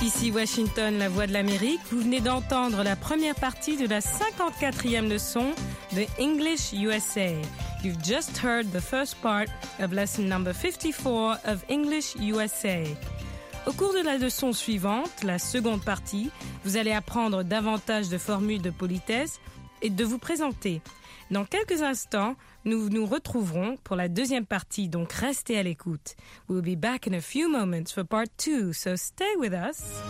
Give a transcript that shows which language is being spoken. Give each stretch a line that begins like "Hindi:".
French: Washington, la voix de l'Amérique, vous venez d'entendre la première partie de la 54e leçon de English USA.
English: You've just heard the first part of lesson number 54 of English USA.
French: Au cours de la leçon suivante, la seconde partie, vous allez apprendre davantage de formules de politesse et de vous présenter. Dans quelques instants, nous nous retrouverons pour la deuxième partie, donc restez à l'écoute.
English: We'll be back in a few moments for part two, so stay with us.